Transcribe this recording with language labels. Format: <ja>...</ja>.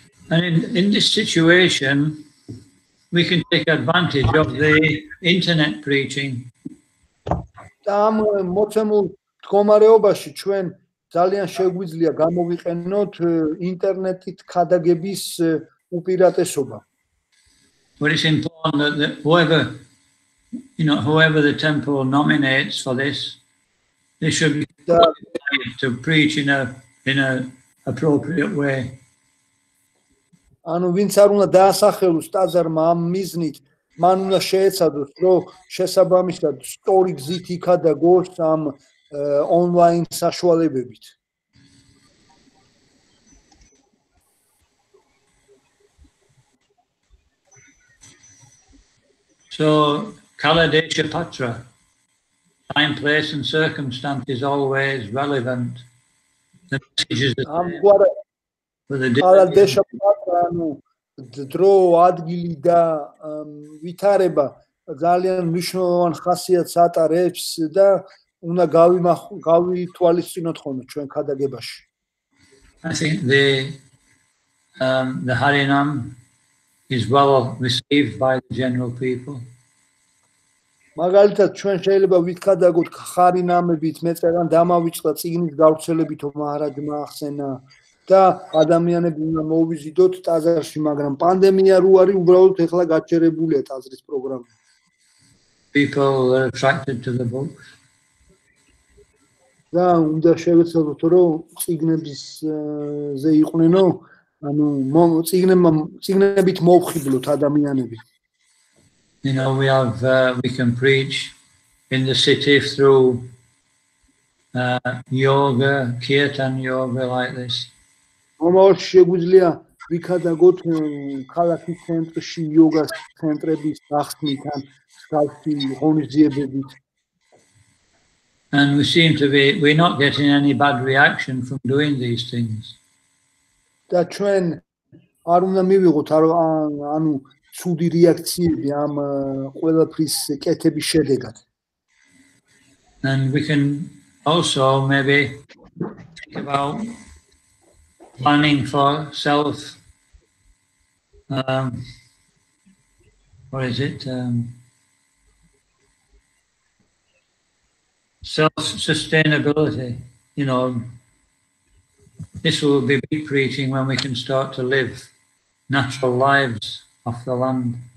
<en>And in this situation, we can take advantage of the internet preaching.</en> <ru>Там</ru> <ka>მოცემულ მდგომარეობაში ჩვენ ძალიან შეგვიძლია გამოვიყენოთ ინტერნეტით ქადაგების უპირატესობა.</ka> <en>What is important that whoever, you know, whoever the temple nominates for this, they should be qualified to preach in a appropriate way.</en> <ka>ანუ ვინც არ უნდა დაასახელოს ტაძარმა ამ მიზნით, მან უნდა შეეცადოს, რომ შესაბამისად სტორი გზით იქადაგოს ამ ონლაინ საშუალებებით.</ka> <en>So, Kaladesha Patra, time, place and circumstance is always relevant. The messages are there.</en> <ka>ანუ დრო, ადგილი და ვითარება ძალიან მნიშვნელოვან ხასიათს ატარებს და უნდა გავითვალისწინოთ ხოლმე ჩვენ ქადაგებაში.</ka> <en>I think the Harinam is well received by the general people.</en> <ka>მაგალითად ჩვენ შეიძლება ვითხადაგოთ ხარინამებით მეწერან დამავიწყდა წიგნის გავრცელებით მაჰარაჯმა ახსენა და ადამიანები უნდა მოვიზიდოთ ტაძარში, მაგრამ პანდემია რო არის, უბრალოდ ეხლა გაჩერებულია ტაძრის პროგრამა.</ka> <en>People are attracted to the books.</en> <ka>და უნდა შევეცადოთ, რომ წიგნების ზე იყვნენო, ანუ წიგნებით მოვხიბლოთ ადამიანები.</ka> <en>You know, we can preach in the city through yoga, kirtan yoga like this.</en> <ka>მომავალში შეგვიძლია ვიქადაგოთ ქალაქის ცენტრში იოგას ცენტრების გახსნით ან სხვა ღონისძიებებით.</ka> <en>And we seem to be we're not getting any bad reaction from doing these things.</en> <ka>და ჩვენ არ უნდა მივიღოთ ანუ ცუდი რეაქციები ამ ყველაფრის კეთების შედეგად.</ka> <en>And we can also maybe think about planning for self what is it self sustainability, you know, this will be big preaching when we can start to live natural lives off the land.</en>